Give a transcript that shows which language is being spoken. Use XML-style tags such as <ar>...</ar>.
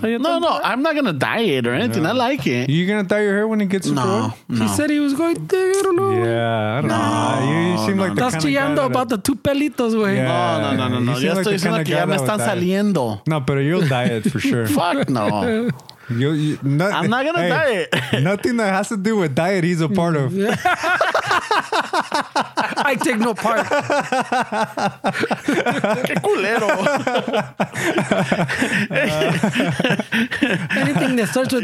<en>No, no, I'm not gonna dye it or anything. Yeah. I like it. You gonna dye your hair when it gets super old? No. He said he was going to, I don't know. Yeah, I don't know. You seem like the kind of guy. Estás chillando about the 2 pelitos, güey. Yeah. No.</en> <es>Yo estoy diciendo que ya me están saliendo.</es> <en>No, pero you'll dye it for sure. Fuck no. I'm not gonna diet. Nothing that has to do with diet, he's a part of. I take no part.</en> <es>Qué culero.</es> <en>Anything that starts with</en>